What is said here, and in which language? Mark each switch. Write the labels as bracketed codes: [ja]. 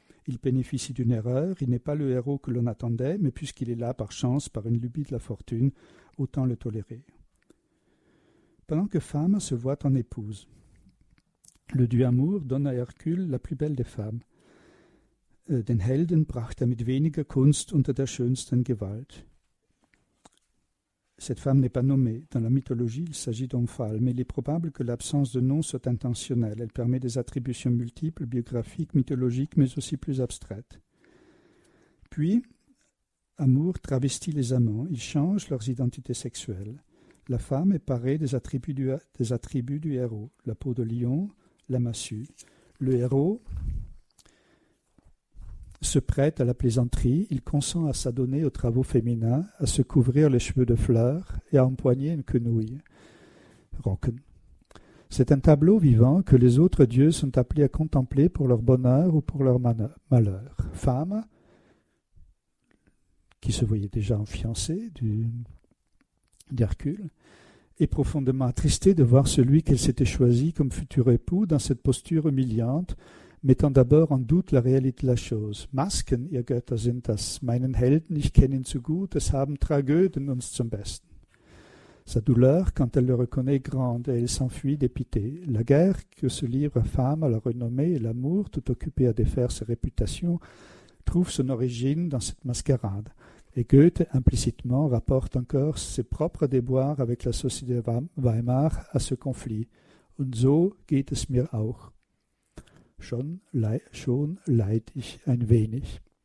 [fr] Il bénéficie d'une erreur, il n'est pas le héros que l'on attendait, mais puisqu'il est là par chance, par une lubie de la fortune, autant le tolérer. Pendant que femme se voit en épouse, le dieu amour donne à Hercule la plus belle des femmes. [de] Den Helden brachte mit weniger Kunst unter der schönsten Gewalt. [fr] Cette femme n'est pas nommée. Dans la mythologie, il s'agit d'Omphale, mais il est probable que l'absence de nom soit intentionnelle. Elle permet des attributions multiples, biographiques, mythologiques, mais aussi plus abstraites. Puis, amour travestit les amants. Ils changent leurs identités sexuelles. La femme est parée des attributs du héros. La peau de lion, la massue. Le héros se prête à la plaisanterie, il consent à s'adonner aux travaux féminins, à se couvrir les cheveux de fleurs et à empoigner une quenouille. Rocken. C'est un tableau vivant que les autres dieux sont appelés à contempler pour leur bonheur ou pour leur malheur. Femme, qui se voyait déjà en fiancée d'Hercule, est profondément attristée de voir celui qu'elle s'était choisi comme futur époux dans cette posture humiliante, mettant d'abord en doute la réalité de la chose. [de] Masken, ihr Götter, sind das meinen Helden, ich kenne ihn zu gut, es haben Tragöden uns zum Besten. [fr] Sa douleur, quand elle le reconnaît, est grande, et elle s'enfuit dépitée. La guerre que se livre femme à la renommée et l'amour, tout occupé à défaire ses réputations, trouve son origine dans cette mascarade. Et Goethe, implicitement, rapporte encore ses propres déboires avec la société de Weimar à ce conflit. [de] Und so geht es mir auch. Schon leid ich ein wenig.